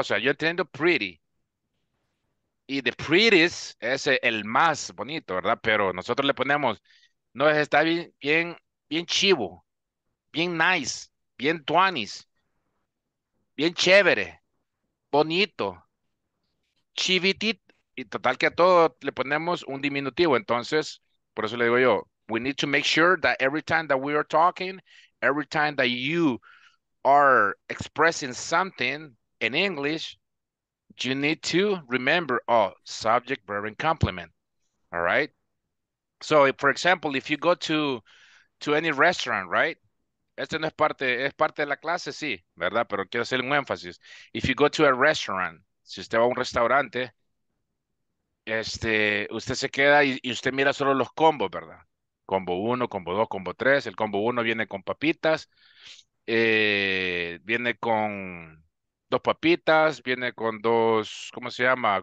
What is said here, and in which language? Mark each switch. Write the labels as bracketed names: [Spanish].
[Spanish] O sea, yo entiendo pretty. Y the prettiest es el más bonito, ¿verdad? Pero nosotros le ponemos, no, está bien, bien, bien chivo, bien nice, bien tuanis, bien chévere, bonito, chivitito. Y total que a todo le ponemos un diminutivo. Entonces, por eso le digo yo, [English] we need to make sure that every time that we are talking, every time that you are expressing something in English, you need to remember, oh, subject, verb, and complement. All right? So, for example, if you go to any restaurant, right? [Spanish] Este no es parte de la clase, sí, ¿verdad? Pero quiero hacer un énfasis. [English] If you go to a restaurant, [Spanish] si usted va a un restaurante, usted se queda y usted mira solo los combos, ¿verdad? Combo 1, combo 2, combo 3. El combo 1 viene con papitas, viene con dos papitas, viene con dos, ¿cómo se llama?